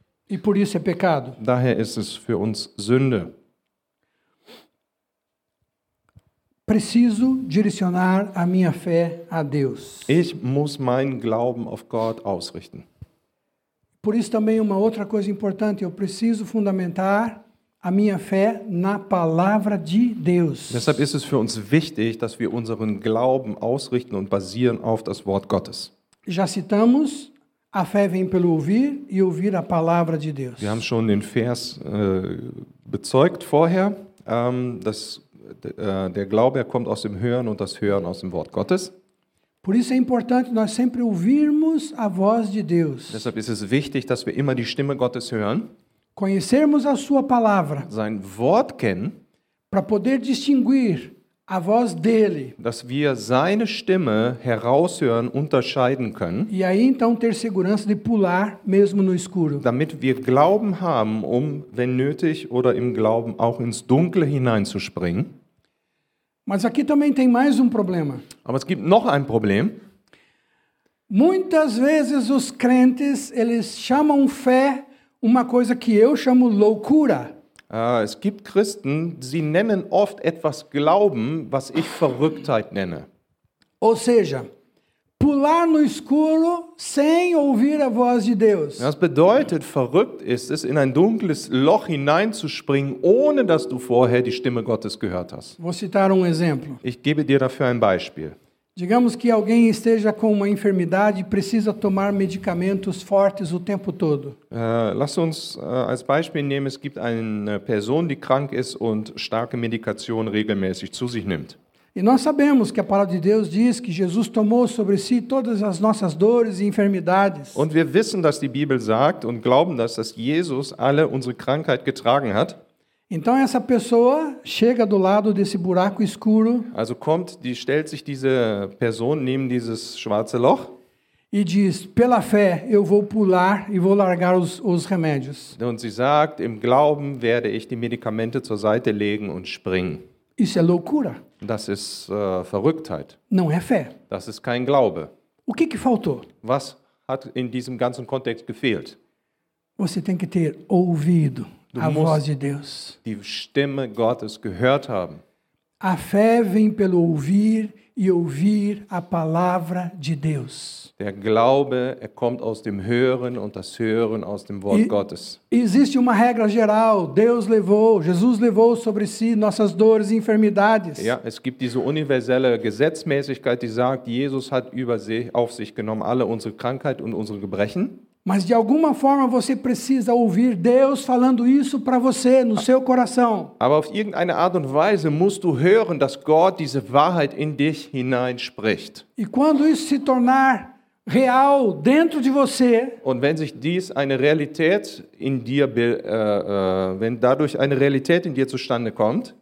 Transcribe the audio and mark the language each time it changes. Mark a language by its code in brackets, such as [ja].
[pt] E por isso é pecado. [de] Daher ist es für uns Sünde. [pt] Preciso direcionar a minha fé a Deus. [de] Ich muss meinen Glauben auf Gott ausrichten. [pt] Por isso também uma outra coisa importante, eu preciso fundamentar a minha fé na palavra de Deus. [de] Deshalb ist es für uns wichtig, dass wir unseren Glauben ausrichten und basieren auf das Wort Gottes. [pt] Já citamos, a fé vem pelo ouvir e ouvir a palavra de Deus. [de] Wir haben schon den Vers bezeugt vorher, dass der Glaube kommt aus dem Hören und das Hören aus dem Wort Gottes. [pt] Por isso é importante nós sempre ouvirmos a voz de Deus. [de] Deshalb ist es wichtig, dass wir immer die Stimme Gottes hören. [pt] Conhecermos a sua palavra. [de] Sein Wort kennen. [pt] Para poder distinguir a voz dele. [de] Dass wir seine Stimme heraushören, unterscheiden können. [pt] E aí então ter segurança de pular mesmo no escuro. [de] Damit wir Glauben haben, wenn nötig oder im Glauben auch ins Dunkle hineinzuspringen. [pt] Mas aqui também tem mais um problema. [de] Aber es gibt noch ein Problem. [pt] Muitas vezes os crentes, eles chamam fé uma coisa que eu chamo loucura. [de] Es gibt Christen, sie nennen oft etwas Glauben, was ich Verrücktheit nenne. [pt] Ou seja, pular no escuro sem ouvir a voz de Deus. [de] Das bedeutet, verrückt ist es, in ein dunkles Loch hineinzuspringen, ohne dass du vorher die Stimme Gottes gehört hast. [pt] Vou citar um exemplo. [de] Ich gebe dir dafür ein Beispiel. [pt] Digamos que alguém esteja com uma enfermidade e precisa tomar medicamentos fortes o tempo todo. [de] Lass uns als Beispiel nehmen, es gibt eine Person, die krank ist und starke Medikation regelmäßig zu sich nimmt. [pt] E nós sabemos que a palavra de Deus diz que Jesus tomou sobre si todas as nossas dores e enfermidades. [de] Und wir wissen, dass die Bibel sagt und glauben, dass Jesus alle unsere Krankheit getragen hat. [pt] Então essa pessoa chega do lado desse buraco escuro. [de] Also kommt, die stellt sich diese Person neben dieses schwarze Loch. [pt] E diz, pela fé eu vou pular e vou largar os remédios. [de] Und sie sagt, im Glauben werde ich die Medikamente zur Seite legen und springen. [pt] Isso é loucura. [de] Das ist Verrücktheit. [pt] Não é fé. [de] Das ist kein Glaube. [pt] O que que faltou? [de] Was hat in diesem ganzen Kontext gefehlt? [pt] Você tem que ter ouvido du a voz de Deus. [de] Die Stimme Gottes gehört haben. [pt] A fé vem pelo ouvir e ouvir a palavra de Deus. [de] Der Glaube, er kommt aus dem Hören und das Hören aus dem Wort Gottes. [pt] Existe uma regra geral, Deus levou, Jesus levou sobre si nossas dores e enfermidades. [de] Ja, es gibt diese universelle Gesetzmäßigkeit, die sagt, Jesus hat über sich auf sich genommen alle unsere Krankheit und unsere Gebrechen. [pt] Mas de alguma forma você precisa ouvir Deus falando isso para você no seu coração. [de] Aber auf irgendeine Art und Weise musst du hören, dass Gott diese Wahrheit in dich hineinspricht. [pt] E quando isso se tornar real dentro de você, [de] und wenn sich dies eine Realität in dir wenn dadurch eine Realität in dir zustande kommt,